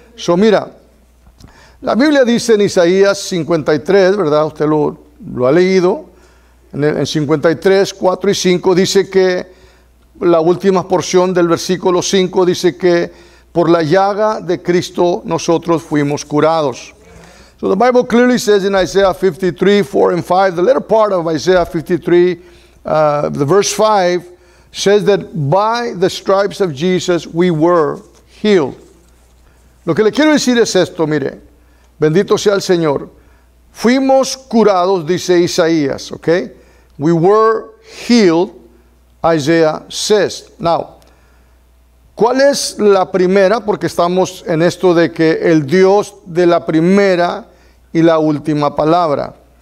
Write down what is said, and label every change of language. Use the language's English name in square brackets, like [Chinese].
[Spanish] So mira, la Biblia dice en Isaías 53, ¿verdad? Usted lo ha leído. En 53, 4 y 5 dice que la última porción del versículo 5 dice que por la llaga de Cristo nosotros fuimos curados. [English] So the Bible clearly says in Isaiah 53, 4 and 5, the latter part of Isaiah 53, the verse 5 says that by the stripes of Jesus we were healed. [Spanish] Lo que le quiero decir es esto, mire, bendito sea el Señor. Fuimos curados, dice Isaías, [English] ¿ok? We were healed, Isaiah says. [Spanish] Now, ¿cuál es la primera? Porque estamos en esto de que el Dios de la primera y la última palabra.